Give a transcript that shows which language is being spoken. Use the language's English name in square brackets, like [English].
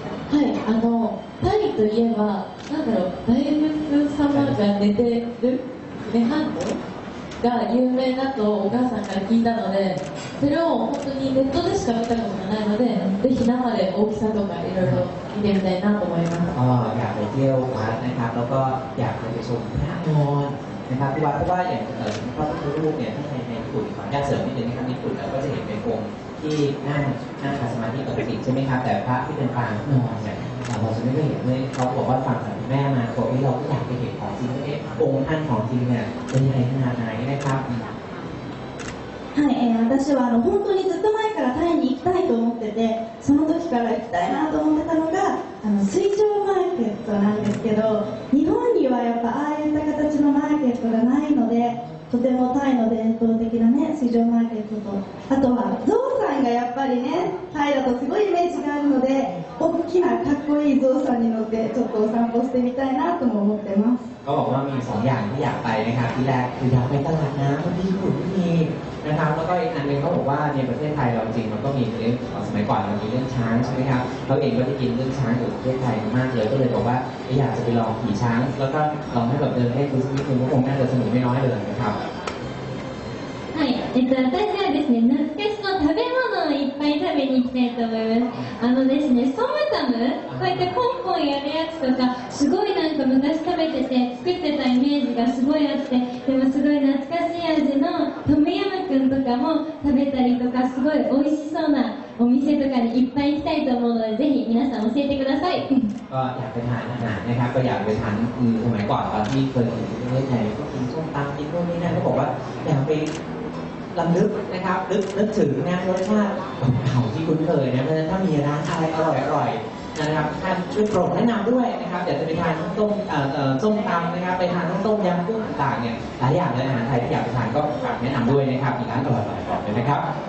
[Japanese] はい、タイといえば、なんだろう、大仏様が寝てる、寝はんこが有名だとお母さんから聞いたので、それを本当にネットでしか見たことがないので、ぜひ生で大きさとかいろいろ見てみたいなと思います。 [Thai] อยากไปเที่ยววัดนะครับแล้วก็อยากไปชมพระนอนนะครับที่วัดเพราะว่าอย่างพระพุทธรูปเนี่ยที่ในญี่ปุ่นขออนุญาตเสริมนิดนึงนะครับญี่ปุ่นเราก็จะเห็นเป็นองค์ที่นั่งขัดสมาธิปกติใช่ไหมครับแต่พระที่เป็นปางนอนเนี่ยเราจะไม่ได้เห็นเลยเขาบอกว่าฝังจากแม่มาขอให้เราก็อยากไปเห็นของจริงเอ๊ะองค์ท่านของจริงเนี่ยเป็นยังไงขนาดไหนนะครับ [Japanese] はい、私は本当にずっと前からタイに行きたいと思ってて、その時から行きたいなと思ってたのが水上マーケットなんですけど、日本にはやっぱああいった形のマーケットがないので、とてもタイの伝統的な、ね、水上マーケットと、あとはゾウさんがやっぱりね、タイだとすごいイメージがあるので、大きなかっこいいゾウさんに乗ってちょっとお散歩してみたいなとも思ってます。 [Thai] ก็บอกว่ามีสองอย่างที่อยากไปนะครับที่แรกคืออยากไปตลาดน้ำที่ญี่ปุ่นที่มีนะครับแล้วก็อีกอันนึงก็บอกว่าในประเทศไทยเราจริงมันก็มีเรื่องสมัยก่อนมันมีเรื่องช้างใช่ไหมครับเราเองก็ได้ยินเรื่องช้างอยู่ประเทศไทยมากเลยก็เลยบอกว่าอยากจะไปลองขี่ช้างแล้วก็ลองให้แบบเดินให้ดูสักนิดนึงก็คงน่าจะสนุกไม่น้อยเลยนะครับ ใช่ [Japanese] 私はですね懐かしの食べ物をいっぱい食べに行きたいと思います。ですねソムタム、こうやってポンポンやるやつとか、すごいなんか昔食べてて作ってたイメージがすごいあって、でもすごい懐かしい味のトムヤムクンとかも食べたりとか、すごい美味しそうなお店とかにいっぱい行きたいと思うので、ぜひ皆さん教えてください。 [Thai] อยากไปทานอาหารนะครับก็อยากไปทานสมัยก่อนตอนที่เคยอยู่ที่ประเทศไทยก็กินส้มตำกินพวกนี้นะก็บอกว่าอยากไปลำลึกนะครับลึกถึงนะรสชาติเก่าที่คุ้นเคยนะเพราะฉะนั้นถ้ามีร้านอะไรอร่อยๆนะครับท่านช่วยโปรดแนะนำด้วยนะครับอยากจะไปทานต้มส้มตำนะครับไปทานต้มยำกุ้งต่างๆเนี่ยหลายอย่างเลยอาหารไทยที่อยากไปทานก็ฝากแนะนำด้วยนะครับมีร้านอร่อยๆเลยนะครับ